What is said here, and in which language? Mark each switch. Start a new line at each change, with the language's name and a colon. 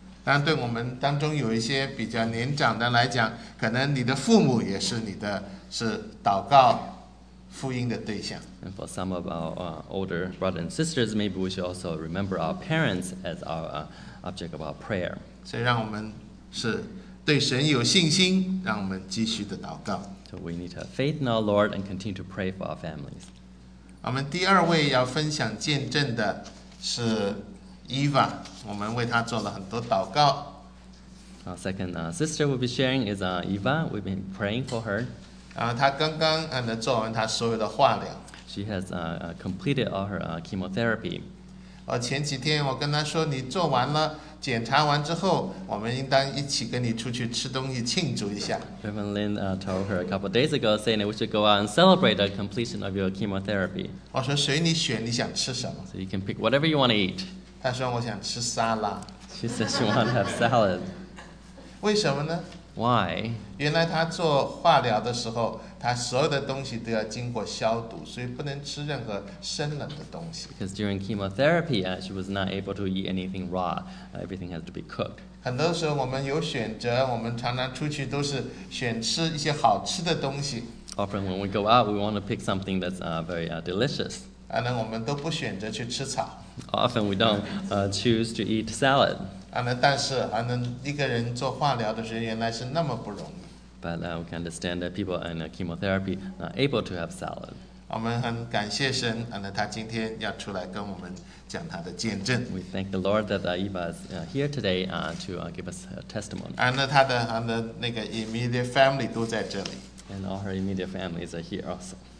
Chinese: 但对我们当中有一些比较年长的来讲，可能你的父母也是你的是祷告福音的对象。
English: And for some of our older brothers and sisters, maybe we should also remember our parents as our object of our prayer.
Chinese: 所以让我们是对神有信心，让我们继续的祷告。
English: So we need to have faith in our Lord and continue to pray for our families.
Chinese: 我们第二位要分享见证的是 Eva， 我们为她做了很多祷告。
English: Our second sister will be sharing is Eva. We've been praying for her.
Chinese: 她刚刚做完她所有的化疗。
English: She has completed all her chemotherapy.
Chinese: 前几天我跟她说，你做完了。检查完之后，我们应当一起跟你出去吃东西庆祝一下。
English: Reverend Lin told her a couple of days ago, saying that we should go out and celebrate the completion of your chemotherapy.
Chinese: 我说随你选，你想吃什么
English: ？So you can pick whatever you want to eat.
Chinese: 她说我想吃沙拉。
English: She said she want to have salad.
Chinese: 为什么呢
English: ？Why？
Chinese: 原来她做化疗的时候，她所有的东西都要经过消毒，所以不能吃任何生冷的东西。
English: Because during chemotherapy, she was not able to eat anything raw. Everything has to be cooked.
Chinese: 很多时候我们有选择，我们常常出去都是选吃一些好吃的东西。
English: Often when we go out, we want to pick something that's very delicious.
Chinese: 然后我们都不选择去吃草。
English: Often we don't choose to eat salad.
Chinese: 但是一个人做化疗的时候，原来是那么不容易。
English: But we can understand that people in chemotherapy are not able to have salad.
Chinese: 我们很感谢神，他今天要出来跟我们讲他的见证。
English: We thank the Lord that Eva is here today to give us her testimony.
Chinese: 他的那个 immediate family 都在这里。
English: And all her immediate families are here also.